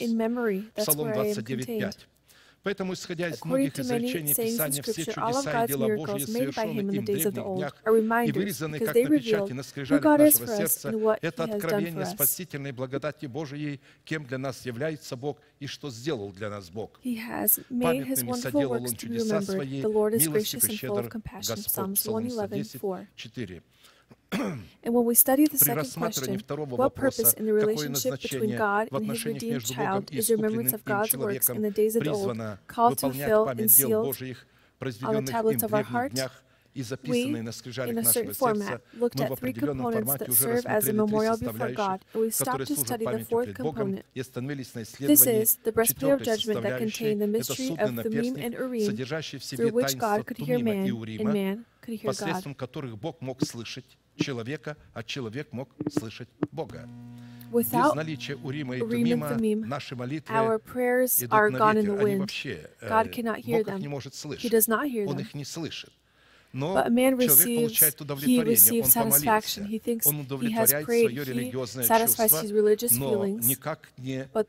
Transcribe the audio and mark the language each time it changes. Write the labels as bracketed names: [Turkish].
[Russian] Псалом 29:5. Поэтому, исходя из многих изречений Писания, все чудеса и дела Божьи, совершенные им в древних днях, и вырезанные, как на печати, на скрижалях нашего сердца, это откровение спасительной благодати Божией, кем для нас является Бог и что сделал для нас Бог. Памятными соделал Он чудеса Свои, милостив и щедр Господь. Псалом 110:4. [English] And when we study the second question, what purpose in the relationship between God and His redeemed child is remembrance of God's works in the days of old, called to fill and seal on the tablets of our heart, we, in a certain format, looked at three components that serve as a memorial before God, and we stopped to study the fourth component. This is the breastplate of judgment that contained the mystery of Thummim and Urim, through which God could hear man, and man could hear God. [Russian] Человека, а человек мог слышать Бога. [English] Without [Russian] без наличия Урима и Тумима, наши молитвы идут на ветер, они вообще, [English] God cannot hear them. [Russian] Бог их не может слышать. Он их не слышит. Но человек получает удовлетворение, он помолился, он удовлетворяет свое религиозное чувство, но никак не...